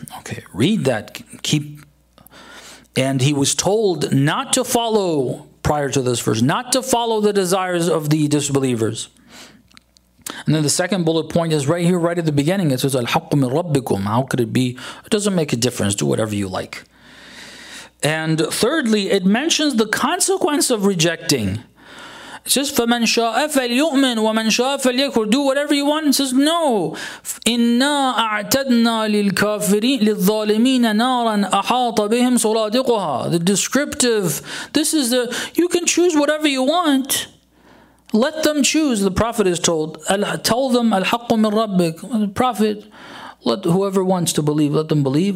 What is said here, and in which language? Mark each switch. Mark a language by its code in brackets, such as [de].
[en] Okay, read that, keep. And he was told not to follow, prior to this verse, not to follow the desires of the disbelievers. And then the second bullet point is right here, right at the beginning. It says, [ar] Al-haqqu min rabbikum. [en] How could it be? It doesn't make a difference. Do whatever you like. And thirdly, it mentions the consequence of rejecting. It says, [ar] فَمَنْ شَاءَ فَلْيُؤْمِنْ وَمَنْ شَاءَ فَلْيَكْفُرْ. [en] Do whatever you want. It says, no. [ar] إِنَّا أَعْتَدْنَا لِلْكَافِرِينَ لِلظَّالِمِينَ نَارًا أَحَاطَ بِهِمْ سُرَادِقُهَا. [en] The descriptive. This is the, you can choose whatever you want. Let them choose, the Prophet is told. Tell them, [ar] Al-haqqu min rabbik. [en] The Prophet, let whoever wants to believe, let them believe.